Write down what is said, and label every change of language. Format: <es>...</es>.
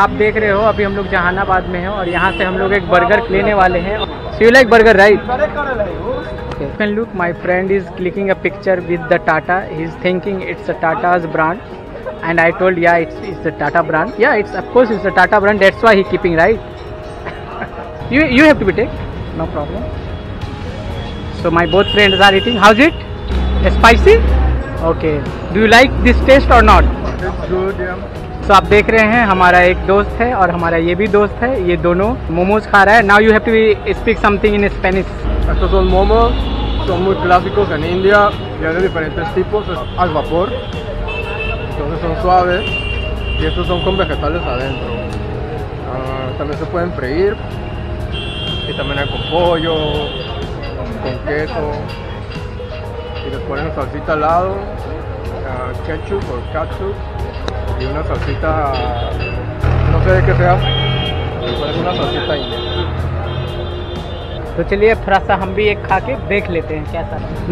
<hi>आप देख रहे हो अभी हम लोग जहानाबाद में हैं और यहाँ से हम लोग एक बर्गर लेने वाले हैं।</hi> <en>So you like burger, right? Correct. Okay. Look, my friend is clicking a picture with the Tata. He is thinking it's a Tata's brand. And I told, yeah, it's the Tata brand. Yeah, it's of course it's the Tata brand. That's why he keeping, right? You have to be take, no problem. So my both friends are eating. How's it? Spicy? Okay. Do you like this taste or not? It's good, yeah.</en> <hi>So आप देख रहे हैं हमारा एक दोस्त है और हमारा ये भी दोस्त है, ये दोनों मोमोज खा रहा है।</hi> <en>Now you have to be speak something in Spanish.</en> <es>Estos son momos, son muy clásicos en India. Tienen diferentes tipos, al vapor. Entonces son suaves y estos son con vegetales adentro. También se pueden freír. Y también hay con pollo, con queso, y les ponen salsita al lado, ketchup o catsup, y una salsita, no sé de qué sea, pero una salsita india.</es> <hi>तो चलिए थोड़ा सा हम भी एक खा के देख लेते हैं कैसा है।</hi>